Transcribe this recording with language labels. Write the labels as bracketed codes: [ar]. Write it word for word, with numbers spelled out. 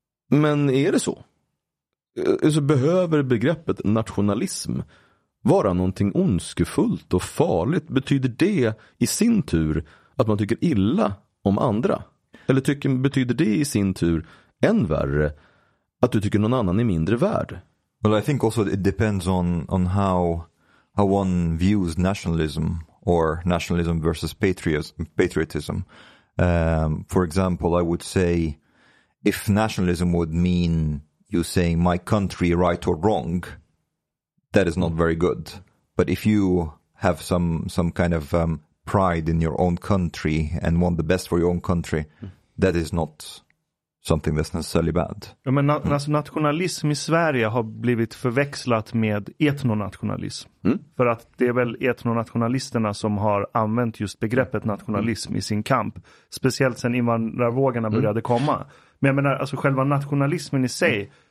[sv] Men är det så? Alltså behöver begreppet nationalism vara någonting ondskefullt och farligt? Betyder det i sin tur att man tycker illa om andra? Eller tycker, betyder det i sin tur än värre att du tycker någon annan är mindre värd? [en] Well, I think also it depends on, on how, how one views nationalism. Or nationalism versus patriotism. Um, for example, I would say if nationalism would mean you saying my country right or wrong, that is not very good. But if you have some some kind of um, pride in your own country and want the best for your own country, that is not something that's necessarily bad. [sv] Ja, men na- mm. alltså nationalism i Sverige har blivit förväxlat med etnonationalism. Mm. För att det är väl etnonationalisterna som har använt just begreppet nationalism mm. i sin kamp. Speciellt sen invandrarvågarna började mm. komma. Men jag menar, alltså själva nationalismen i sig, mm.